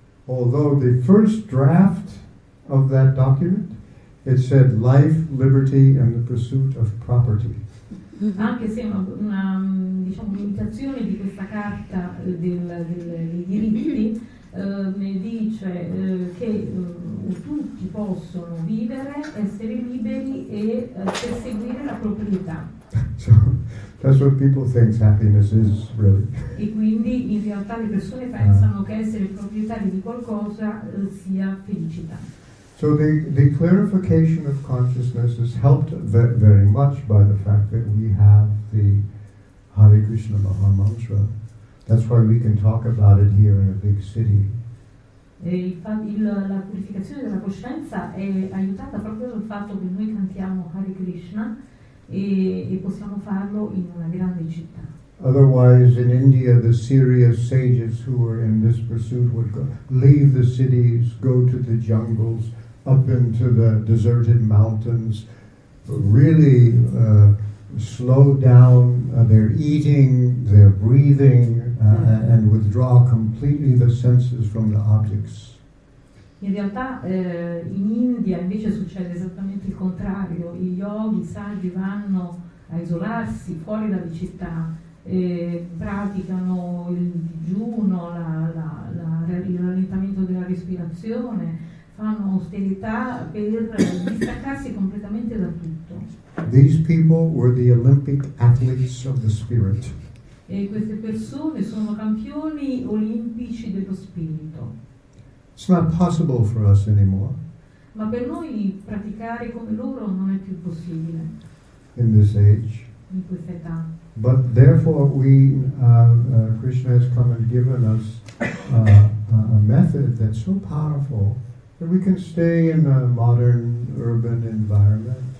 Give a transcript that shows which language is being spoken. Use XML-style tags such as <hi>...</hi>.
<en>Although the first draft of that document, it said life, liberty, and the pursuit of property.</en> <it>Anche se una diciamo limitazione di questa carta dei diritti dice che tutti possono vivere, essere liberi e perseguire la proprietà.</it> <en>So, that's what people think happiness is, really.</en> <it>E quindi in realtà le persone pensano che essere proprietari di qualcosa sia felicità.</it> <en>So the clarification of consciousness is helped very much by the fact that we have the Hare Krishna Maha Mantra. That's why we can talk about it here in a big city.</en> <it>E la purificazione della coscienza è aiutata proprio dal fatto che noi cantiamo Hare Krishna e possiamo farlo in una grande città.</it> <en>Otherwise, in India, the serious sages who were in this pursuit would leave the cities, go to the jungles, up into the deserted mountains, really slow down their eating, their breathing, and withdraw completely the senses from the objects.</en> <it>In realtà, in India invece succede esattamente il contrario. I yogi, i saggi vanno a isolarsi fuori dalla città, praticano il digiuno, il rallentamento della respirazione. Fanno austerità per distaccarsi completamente da tutto.</it> <en>These people were the Olympic athletes of the spirit.</en> <it>E queste persone sono campioni olimpici dello spirito.</it> <en>It's not possible for us anymore.</en> <it>Ma per noi praticare come loro non è più possibile.</it> <en>In this age.</en> <it>In questa età.</it> <en>But therefore we, Krishna has come and given us a method that's so powerful. We can stay in a modern urban environment.</en>